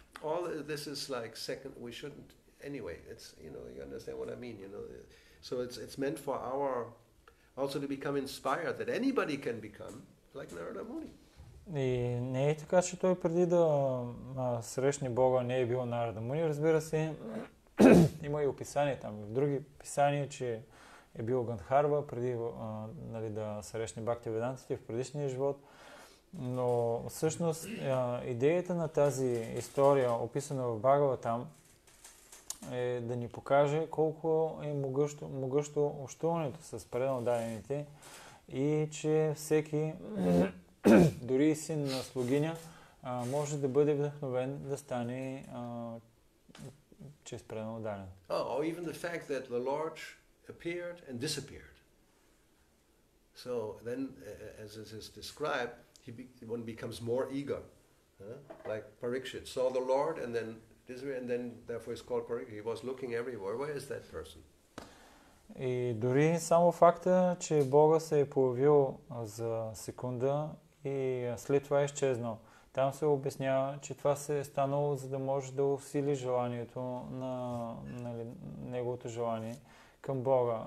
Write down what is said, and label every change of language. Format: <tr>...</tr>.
<en>All this is like second, we shouldn't, anyway, it's, you know, you understand what I mean, you know. So it's meant for our also to become inspired that anybody can become like Narada Muni.</en> <bg>И не е така, че той преди да срещне Бога не е бил Narada Muni, разбира се. Има и описания там, в други писания, че е бил Гандхарва преди нали, да срещне Бхактиведантите в предишния живот. Но всъщност идеята на тази история, описана в Бхагаватам, е да ни покаже колко е могъщо общуването с преднададените и че всеки, дори син на слугиня, може да бъде вдъхновен да стане чрез преднададен.</bg> <en>Oh, even the fact that the Lord appeared and disappeared. So then, as it is described, one becomes more eager. Like Parikshit saw the Lord and then and then therefore it's called Parikshit. He was looking everywhere. Where is that person?</en> <bg>И дори само факта, че Бога се е появил за секунда и след това е изчезнал. Там се обяснява, че това се е станало, за да може да усили желанието на неговото желание към Бога.</bg>